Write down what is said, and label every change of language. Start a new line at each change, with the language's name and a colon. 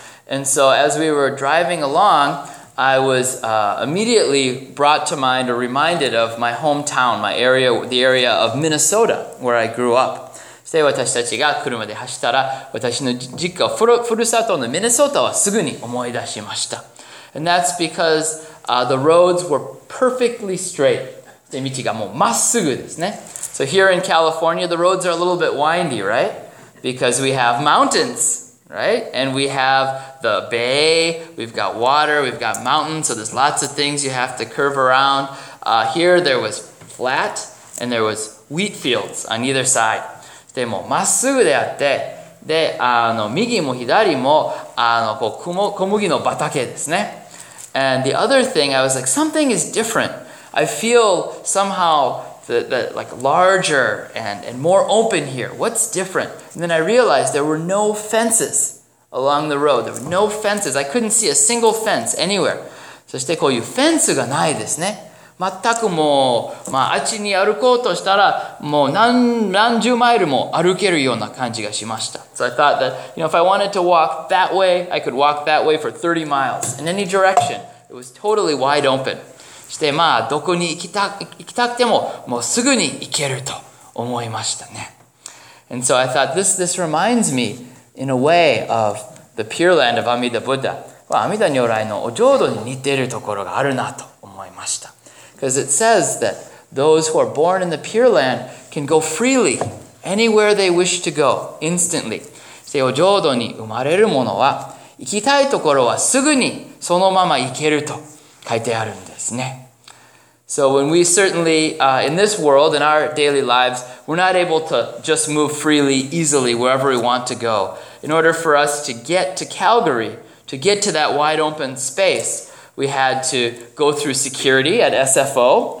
English: And so as we were driving along,I was immediately brought to mind or reminded of my hometown, my area, the area of Minnesota, where I grew up.
Japanese: そして私たちが車で走ったら、私の実家、ふるさとのミネソータはすぐに思い出しました。
English: And that's because the roads were perfectly straight.
Japanese: で、道がもうまっすぐですね。
English: So here in California, the roads are a little bit windy, right? Because we have mountains. Right? And we have the bay, we've got water, we've got mountains, so there's lots of things you have to curve around. Here there was flat and there was wheat fields on either side.
Japanese: でも、まっすぐであって、で、右も左も、こう、小麦の畑ですね。
English: And the other thing, I was like, something is different. I feel somehow... The larger and more open here. What's different? And then I realized there were no fences along the road. There were no fences. I couldn't see a single fence anywhere.
Japanese: そしてこういうフェンスがないですね。全くもう、まあ、あっちに歩こうとしたら、もう何十マイルも歩けるような感じがしました。
English: So I thought that, you know, if I wanted to walk that way, I could walk that way for 30 miles in any direction. It was totally wide open.
Japanese: して、まあ、どこに行きたくても、もうすぐに行けると思いましたね。
English: And so I thought, this reminds me, in a way, of the Pure Land of Amida Buddha.
Japanese: 阿弥陀如来のお浄土に似ているところがあるなと思いました。
English: Because it says that those who are born in the Pure Land can go freely anywhere they wish to go, instantly.
Japanese: して、お浄土に生まれる者は、行きたいところはすぐにそのまま行けると。書いてあるんですね。
English: So when we certainly, in this world, in our daily lives, we're not able to just move freely, easily, wherever we want to go. In order for us to get to Calgary, to get to that wide open space, we had to go through security at SFO.